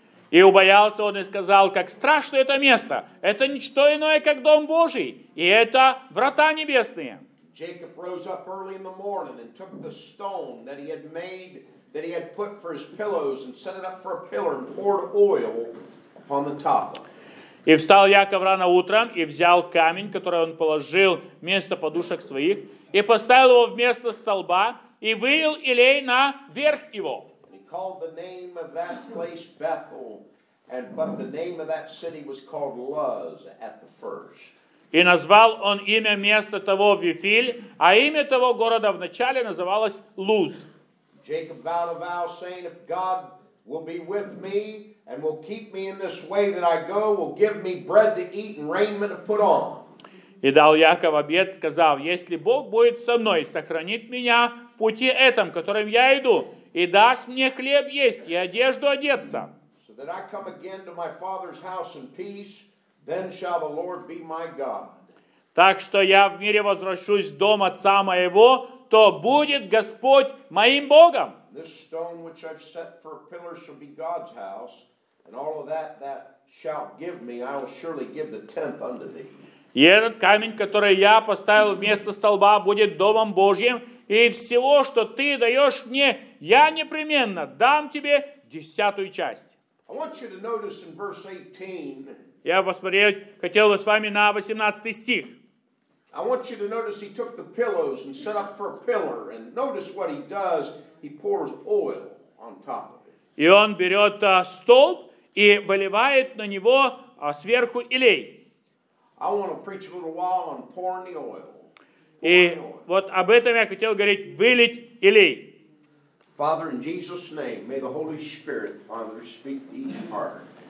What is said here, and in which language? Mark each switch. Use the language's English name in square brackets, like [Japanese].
[Russian] И убоялся он и сказал: «Как страшно это место! Это не что иное, как Дом Божий, и это врата небесные». [English] Jacob rose up early in the morning and took the stone that he had made that he had put for his pillows and set it up for a pillar and poured oil upon the top. [Russian] И встал Яков рано утром и взял камень, который он положил вместо подушек своих, и поставил его вместо столба и вылил елей на верх его. [English] And he called the name of that place Bethel, and but the name of that city was called Luz at the first. [Russian] И назвал он имя места того Вифиль, а имя того города вначале называлось Луз. [English] Jacob vowed a vow, saying, "If God will be with me and will keep me in this way that I go, will give me bread to eat and raiment to put on." [Russian] И дал Яков обет, сказав: "Если Бог будет со мной, сохранит меня в пути этом, которым я иду, и даст мне хлеб есть и одежду одеться." [English] So that I come again to my father's house in peace, then shall the Lord be my God. [Russian] Так что я в мире возвращусь в дом отца моего, то будет Господь моим Богом. [English] This stone which I've set for a pillar shall be God's house, and all of that that shalt give me, I will surely give the tenth unto thee. [Russian] И этот камень, который я поставил вместо столба, будет домом Божьим, и всего, что ты даешь мне, я непременно дам тебе десятую часть. [English] I want you to notice in verse 18, [Russian] я посмотреть хотел бы с вами на 18 стих. [English] I want you to notice he took the pillows and set up for a pillar, and notice what he does, he pours oil on top of it. [Russian] И он берет столб и выливает на него сверху елей. [English] I want to preach a little while on pouring the oil. [Russian] И вот об этом я хотел говорить, вылить елей. [English] Father, in Jesus' name, may the Holy Spirit, Father, speak to each heart.